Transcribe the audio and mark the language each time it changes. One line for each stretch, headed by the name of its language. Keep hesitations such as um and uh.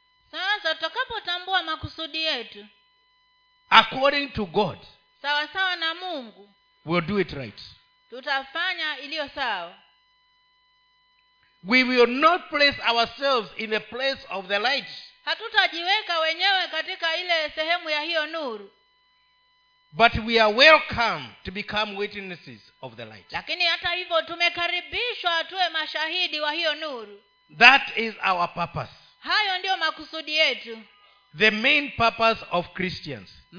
Swahili: sasa so tutakapotambua makusudi yetu
English: according to god
Swahili: sawasawa na mungu
English: we'll do it right
Swahili: tutafanya iliyo sawa
English: we will not place ourselves in the place of the light
Swahili: hatutajiweka wenyewe katika ile sehemu ya hiyo nuru
English: but we are welcome to become witnesses of the light
Swahili: lakini hata hivyo tumekaribishwa tuwe mashahidi wa hiyo nuru
English: that is our purpose
Swahili: hayo ndiyo makusudi yetu
English: the main purpose of christians